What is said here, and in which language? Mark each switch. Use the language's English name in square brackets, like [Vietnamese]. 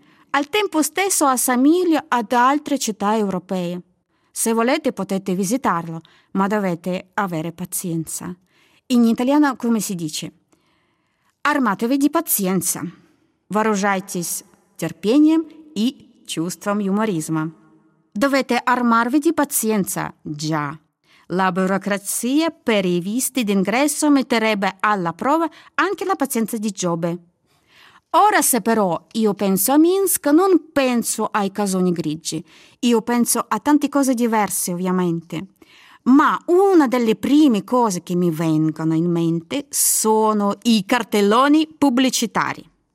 [Italian] Al tempo stesso assomiglia ad altre città europee. Se volete potete visitarlo, ma dovete avere pazienza. In italiano come si dice? Armatevi di pazienza. [Russian] Вооружайтесь терпением и чувством юморизма. [Italian] Dovete armarvi di pazienza, già. La burocrazia per i visti d'ingresso metterebbe alla prova anche la pazienza di Giobbe. Ora se però io penso a Minsk, non penso ai casoni grigi. Io penso a tante cose diverse, ovviamente. Ma una delle prime cose che mi vengono in mente sono i cartelloni pubblicitari.